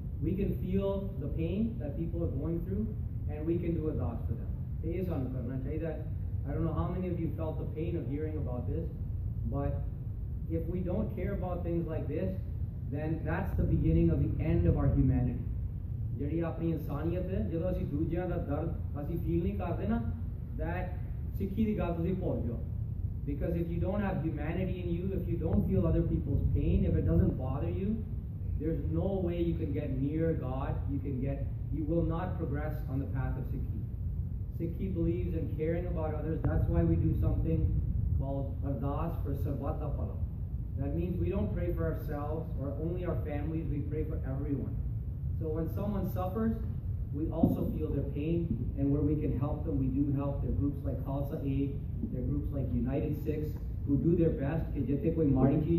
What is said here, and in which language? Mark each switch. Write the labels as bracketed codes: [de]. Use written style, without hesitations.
[en] We can feel the pain that people are going through, and we can do a das for them. I don't know how many of you felt the pain of hearing about this, but if we don't care about things like this, then that's the beginning of the end of our humanity. [pa] ਜਿਹੜੀ ਆਪਣੀ ਇਨਸਾਨੀਅਤ ਹੈ, ਜਦੋਂ ਅਸੀਂ ਦੂਜਿਆਂ ਦਾ ਦਰਦ ਅਸੀਂ feel ਨਹੀਂ ਕਰਦੇ ਨਾ, ਦੈਟ ਸਿੱਖੀ ਦੀ ਗੱਲ ਤੁਸੀਂ ਭੁੱਲ ਜਾਓ. [en] Because if you don't have humanity in you, if you don't feel other people's pain, if it doesn't bother you, there is no way you can get near God. You can get, you will not progress on the path of Sikhi. Sikhi believes in caring about others, that's why we do something called Ardas for ਸਰਬੱਤ ਦਾ ਫਲ. That means we don't pray for ourselves or only our families, we pray for everyone. So when someone suffers, we also feel their pain, and where we can help them, we do help. There are groups like Khalsa, there are groups like United Sikhs who do their best.